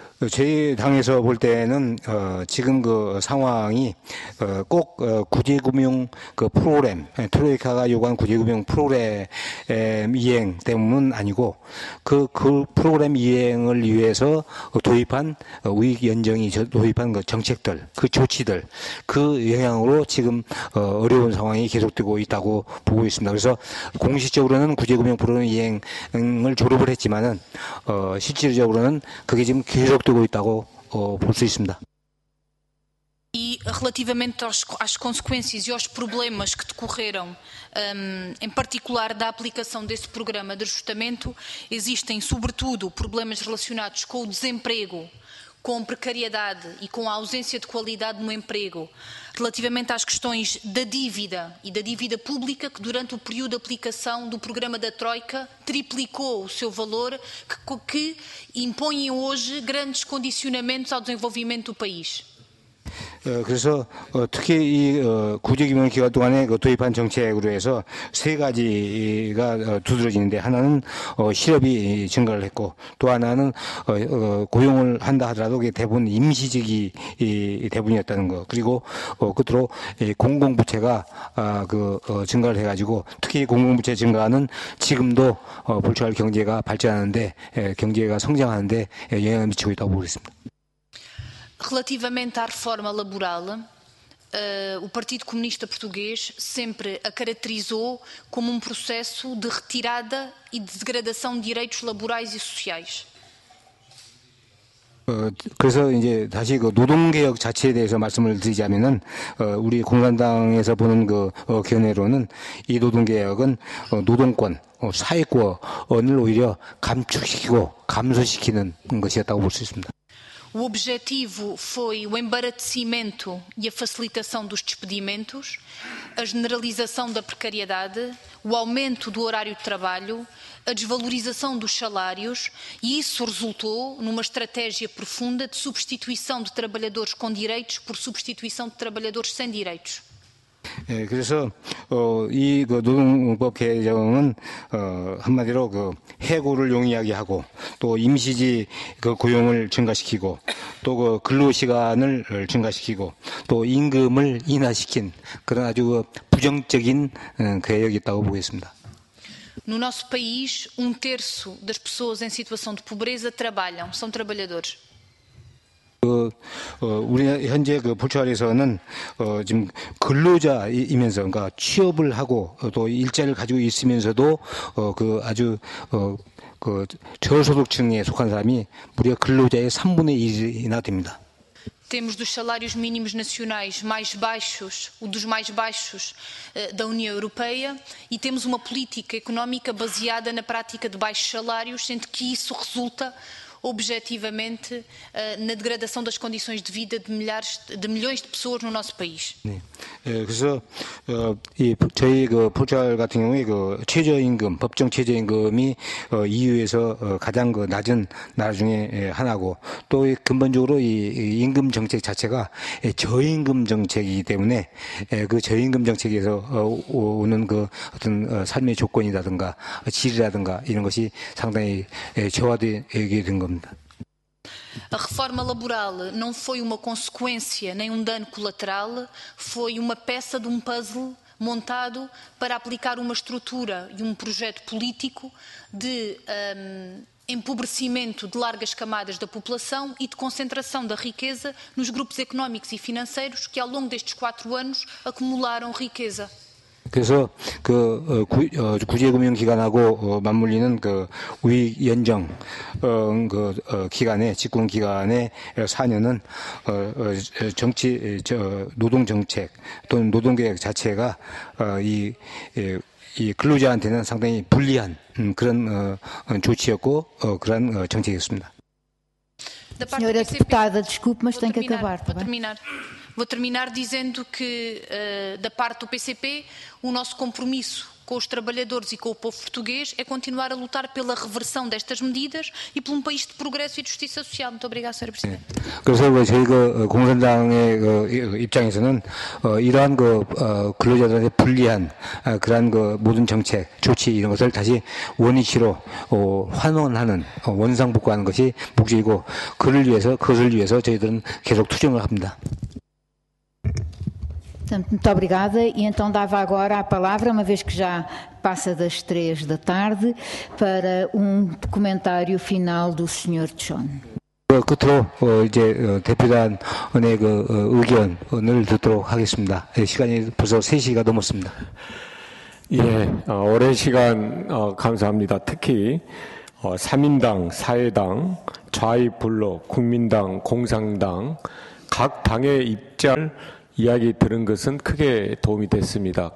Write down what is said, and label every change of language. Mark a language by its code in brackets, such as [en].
[ko] 저희 당에서 볼 때는 지금 그 상황이 꼭 구제금융 그 프로그램 트로이카가 요구한 구제금융 프로그램 이행 때문은 아니고 그 프로그램 이행을 위해서 도입한 우익 연정이 도입한 그 정책들 그 조치들 그 영향으로 지금 어려운 상황이 계속되고 있다고 보고 있습니다. 그래서 공식적으로는 구제금융 프로그램 이행을 졸업을 했지만은 실질적으로는 그게 지금 계속되고 있다고 볼 수 있습니다. [pt] E relativamente às consequências e aos problemas que decorreram, em particular da aplicação desse programa de ajustamento, existem sobretudo problemas relacionados com o desemprego, com precariedade e com a ausência de qualidade no emprego. Relativamente às questões da dívida e da dívida pública, que durante o período de aplicação do programa da Troika triplicou o seu valor, que impõe hoje grandes condicionamentos ao desenvolvimento do país. [ko] 그래서 특히 이 구제금융 기간 동안에 도입한 정책으로 해서 세 가지가 두드러지는데 하나는 실업이 증가를 했고 또 하나는 고용을 한다 하더라도 그게 대부분 임시직이 대부분이었다는 것 그리고 끝으로 공공부채가 증가를 해가지고 특히 공공부채 증가는 지금도 불투명 경제가 발전하는데 경제가 성장하는데 영향을 미치고 있다고 보고 있습니다. [pt] Relativamente à reforma laboral, o Partido Comunista Português sempre a caracterizou como um processo de retirada e de degradação de direitos laborais e sociais. [ko] 그래서 이제 다시 그 노동개혁 자체에 대해서 말씀을 드리자면은 우리 공산당에서 보는 그 견해로는 이 노동개혁은 노동권, 사회권을 오히려 감축시키고 감소시키는 것이었다고 볼 수 있습니다. [pt] O objetivo foi o embaraçamento e a facilitação dos despedimentos, a generalização da precariedade, o aumento do horário de trabalho, a desvalorização dos salários e isso resultou numa estratégia profunda de substituição de trabalhadores com direitos por substituição de trabalhadores sem direitos. [ko] 예, 그래서 이 그 노동법 개정은 한마디로 그 해고를 용이하게 하고 또 임시직 그 고용을 증가시키고 또 그 근로시간을 증가시키고 또 임금을 인하시킨 그런 아주 부정적인 개혁이 있다고 보겠습니다. [pt] No nosso país, um terço das pessoas em situação de pobreza trabalham, são trabalhadores. [ko] 우리 현재 그 포르투갈에서는 지금 근로자이면서 그러니까 취업을 하고 또 일자리를 가지고 있으면서도 그 아주 그 저소득층에 속한 사람이 무려 근로자의 3분의 1이나 됩니다. [pt] Temos dos salários mínimos nacionais mais baixos, o dos mais baixos da União Europeia, e temos uma política económica baseada na prática de baixos salários, sendo que isso resulta objetivamente na degradação das condições de vida de milhares de milhões de pessoas no nosso país. [ko] 네. 그래서 이 저희 그 포르투갈 같은 경우에 그 최저임금 법정 최저임금이 EU에서 가장 그 낮은 나라 중에 하나고 또 근본적으로 이 임금 정책 자체가 저임금 정책이기 때문에 그 저임금 정책에서 오는 그 어떤 삶의 조건이라든가 질이라든가 이런 것이 상당히 저하되게 된 [pt] A reforma laboral não foi uma consequência nem um dano colateral, foi uma peça de um puzzle montado para aplicar uma estrutura e um projeto político de empobrecimento de largas camadas da população e de concentração da riqueza nos grupos económicos e financeiros que ao longo destes quatro anos acumularam riqueza. [ko] 그래서 그 구제금융 기간하고 맞물리는 그 우익 연정 그 기간에 집권 기간에 4년은 정치 저 노동 정책 또는 노동 계획 자체가 이 근로자한테는 상당히 불리한 그런 조치였고 그런 정책이었습니다. [pt] Senhora deputada, desculpe, mas tenho que acabar, tá bem? Vou terminar dizendo que, da parte do PCP, o nosso compromisso com os trabalhadores e com o povo português é continuar a lutar pela reversão destas medidas e por um país de progresso e de justiça social. Muito obrigada, Sr. Presidente. [ko] 그래서 저희 그 공산당의 그 입장에서는 이러한 그 근로자들한테 불리한 그러한 그 모든 정책, 조치 이런 것을 다시 원위치로 환원하는 원상복구하는 것이 목적이고 그를 위해서 그것을 위해서 저희들은 계속 투쟁을 합니다. [pt] Muito obrigada. E então dava agora a palavra, uma vez que já passa das 3 da tarde, para um comentário final do Sr. John. [ko] 끝으로 이제 대표단의 그 의견을 듣도록 하겠습니다. 시간이 벌써 3시가 넘었습니다. 예, 오랜 시간 감사합니다. 특히 3인당, 4회당, 좌익블록, 국민당, 공상당 각 당의 입장을 이야기 들은 것은 크게 도움이 됐습니다.